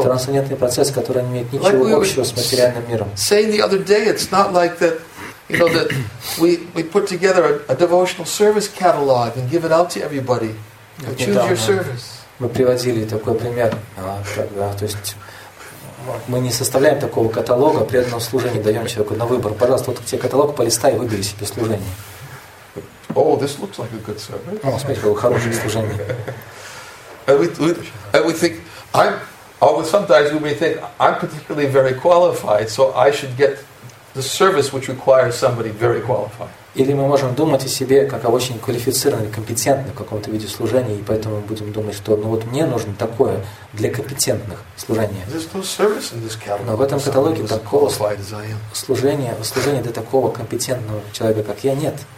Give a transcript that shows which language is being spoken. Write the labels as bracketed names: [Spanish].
[Russian] Это трансцендентный процесс, который не имеет ничего общего с материальным миром. [English] Saying the other day, it's not like that, you know, that we put together a devotional service catalog and give it out to everybody. Choose your service. [Russian] Мы приводили такой пример, то есть. Мы не составляем такого каталога, преданного служения даем человеку на выбор. Пожалуйста, вот тебе каталог, полистай и выбери себе служение. [English] Oh, this looks like a good service. [Russian] О, смотри, какое хорошее служение. [English] And we think, sometimes we may think, I'm particularly very qualified, so I should get the service which requires somebody very qualified. [Russian] Или мы можем думать о себе как о очень квалифицированном, компетентном каком-то виде служения, и поэтому мы будем думать, что ну вот мне нужно такое для компетентных служения. Но в этом каталоге такого служения, служения для такого компетентного человека, как я, нет.